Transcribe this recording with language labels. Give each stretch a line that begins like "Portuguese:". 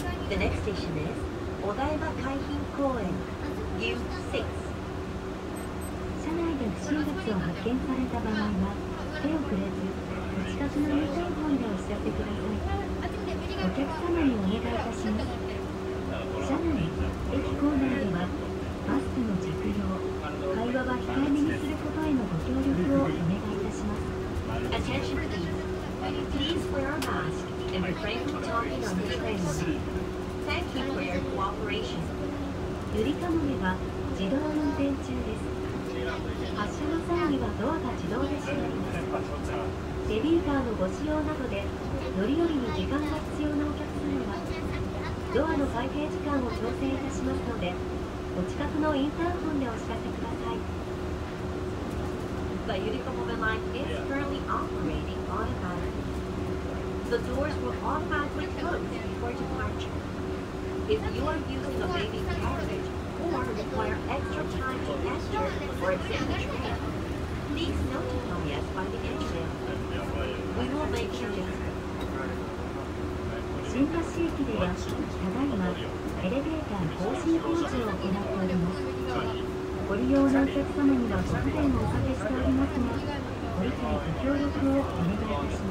English: The next station is Odaiba Kaihin Koen, U6.
Japanese: 車内で不審物を発見された場合は、手を触れず、お近くの入店ホールでお知らせください。お客様にお願いいたします。車内、駅構内では、マスクの着用、会話は控えめにすることへのご協力をお願いいたします。
English: Attention, please wear a mask and refrain from talking on the train. Thank you for your cooperation.
Japanese: ゆりかもめは自動運転中です。発車の際にはドアが自動で閉まります。ベビーカーのご使用などで乗り降りに時間が必要なお客様は、ドアの開閉時間を調整いたしますので、お近くのインターホンでお知らせください。
English: The Yurikamobe line is currently operating automatically. The doors will automatically close before departure. If you are using a baby carriage or require extra time to enter or exit the train, please notify us by the engine. We will make sure to answer.
Japanese: 新橋駅では、ただいまエレベーター更新工事を行っております。ご利用のお客様にはご不便をおかけしておりますが、ご理解ご協力をお願いいたします。